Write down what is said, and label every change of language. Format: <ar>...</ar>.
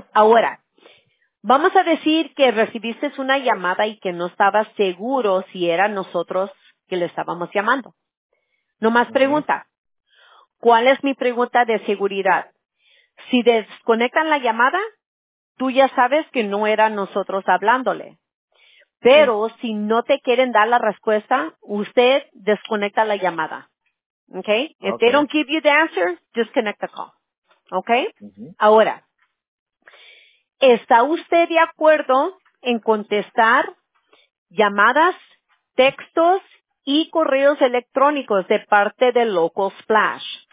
<es>Ahora, vamos a decir que recibiste una llamada y que no estabas seguro si era nosotros que le estábamos llamando. No más pregunta. ¿Cuál es mi pregunta de seguridad? Si desconectan la llamada, tú ya sabes que no era nosotros hablándole. Pero si no te quieren dar la respuesta, usted desconecta la llamada.</es> <en>Okay? If they don't give you the answer, disconnect the call. Okay?</en> <es>Ahora, ¿está usted de acuerdo en contestar llamadas, textos y correos electrónicos de parte de Loco Splash?</es>